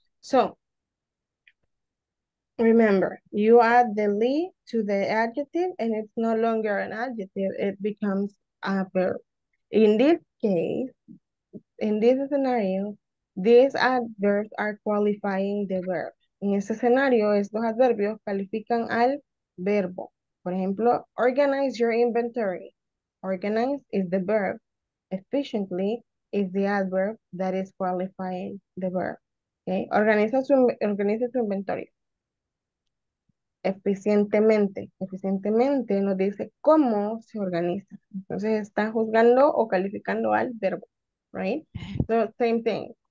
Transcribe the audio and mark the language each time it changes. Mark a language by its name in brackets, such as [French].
[English] So remember, you add the li to the adjective and it's no longer an adjective, it becomes a verb. In this case, in this scenario, these adverbs are qualifying the verb. [Spanish] En este escenario, estos adverbios califican al verbo. Por ejemplo, [English] organize your inventory. Organize is the verb. Efficiently is the adverb that is qualifying the verb. [Spanish] Okay? Organiza su inventario. Eficientemente. Eficientemente nos dice cómo se organiza. Entonces está juzgando o calificando al verbo. Right? [English] So, same thing.